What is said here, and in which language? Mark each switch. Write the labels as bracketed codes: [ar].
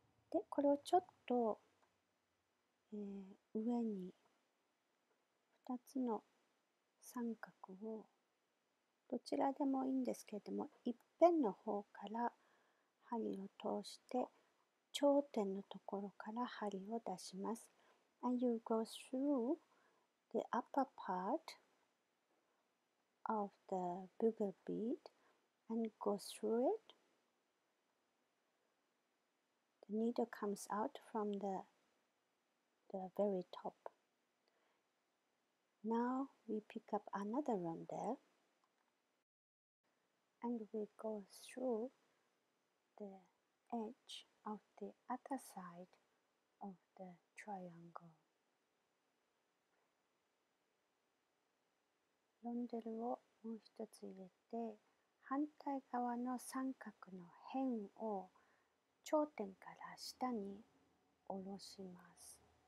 [ja] で、これをちょっと、上に2つの三角をどちらでもいいんですけれども、一辺の方から針を通して頂点のところから針を出します。 [en] And you go through the upper part of the bugle bead and go through it. The needle comes out from the very top. Now we pick up another rondelle and we go through the edge of the other side of the triangle. [ja] ロンデルをもう一つ入れて、反対側の三角の辺を頂点から下に下ろします。